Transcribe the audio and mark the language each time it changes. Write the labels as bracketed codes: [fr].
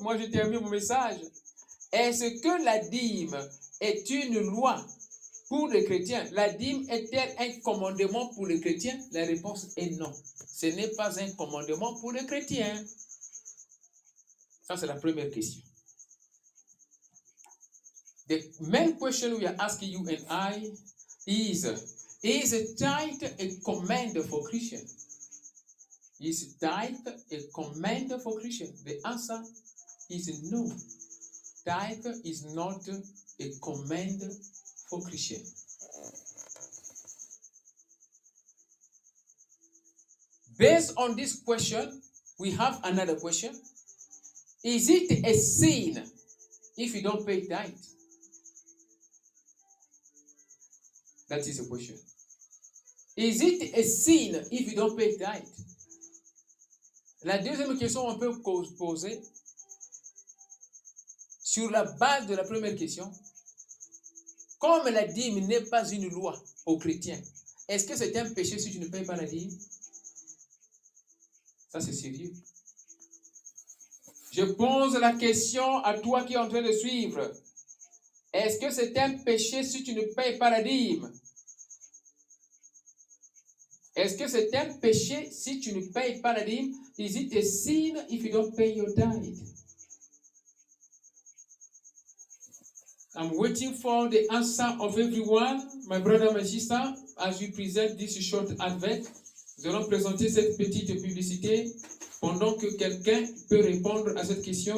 [fr] Moi, je termine mon message. Est-ce que la dîme est une loi pour les chrétiens? La dîme est-elle un commandement pour les chrétiens? La réponse est non. Ce n'est pas un commandement pour les chrétiens. Ça, c'est la première question. [en] The main question we are asking you and I is... Is tithe a command for Christian? Is tithe a command for Christian? The answer is no. Tithe is not a command for Christian. B. Based on this question, we have another question. Is it a sin if you don't pay tithe? That is a question. Is it a sin if you don't pay tithe? [fr] La deuxième question on peut poser sur la base de la première question. Comme la dîme n'est pas une loi aux chrétiens, est-ce que c'est un péché si tu ne payes pas la dîme? Ça, c'est sérieux. Je pose la question à toi qui es en train de suivre. Est-ce que c'est un péché si tu ne payes pas la dîme? Est-ce que c'est un péché si tu ne payes pas la dîme? [en] Is it a sin if you don't pay your tithe? I'm waiting for the answer of everyone, my brother, my sister, as we present this short advent. [fr] Nous allons présenter cette petite publicité pendant que quelqu'un peut répondre à cette question.